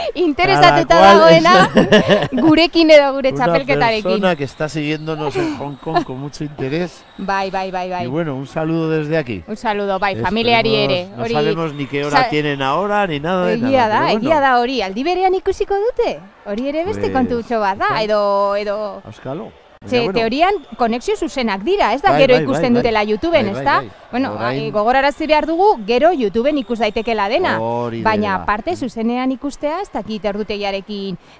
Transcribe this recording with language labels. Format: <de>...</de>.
<eu>Interesatuta dagoena gurekin edo gure txapelketarekin.</eu> <es>Una persona que está siguiéndonos en Hong Kong con mucho interés.</es> <eu>Bai, bai, bai, bai.</eu> <es>Y bueno, un saludo desde aquí. Un saludo, bai,</es> <eu>familiari ere.</eu> <es>No sabemos ni qué hora tienen ahora, ni nada de</es> <eu>egia</eu> <es>nada.</es> <eu>Egia da hori, bueno. Aldi berean ikusiko dute. Hori ere beste kontutxo bat da, edo... Euskalo. Ze, bueno. Teorian, konexio zuzenak dira, ez da, gero ikusten dutela YouTube-en, ez da? Bueno, gogorarazi behar dugu, gero YouTube-en ikus daitekela dena. Orida. Baina, parte, zuzenean ikustea, ez dakit ordutegiarekin.</eu>